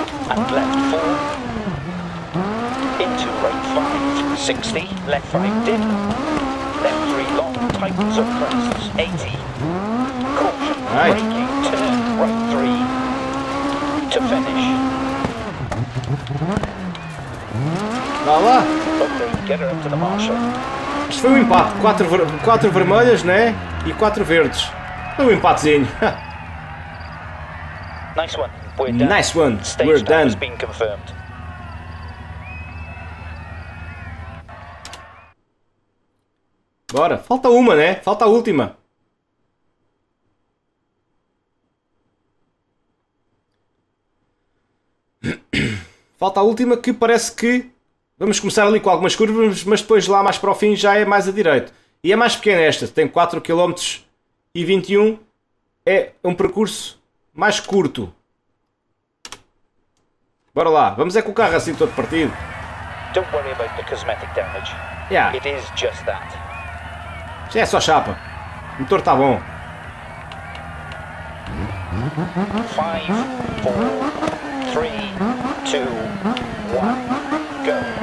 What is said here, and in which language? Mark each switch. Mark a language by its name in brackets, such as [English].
[English] And left 4, into right 5, 60, left 5 dip, left 3 long, tightens up crests, 80, caution, right. Breaking, turn, right 3, to finish. [French] Voilà. [English] Ok, get her up to the marshal. [Portuguese] Isto foi um empate, 4 vermelhas, né? E 4 verdes, um empatezinho. [English] Nice one. We're done. Nice one. Stage we're done. Has been confirmed. [Portuguese] Bora, falta uma, né? Falta a última. Falta a última que parece que Vamos começar ali com algumas curvas, mas depois lá mais para o fim já é mais a direito. E é mais pequena esta, tem 4 km e 21. É um percurso mais curto. Bora lá, vamos é com o carro assim todo partido. [English] Don't worry about the cosmetic damage. Yeah. It is just that. [Portuguese] Já é só chapa. O motor está bom. [English] Five, four, three, two, one, go.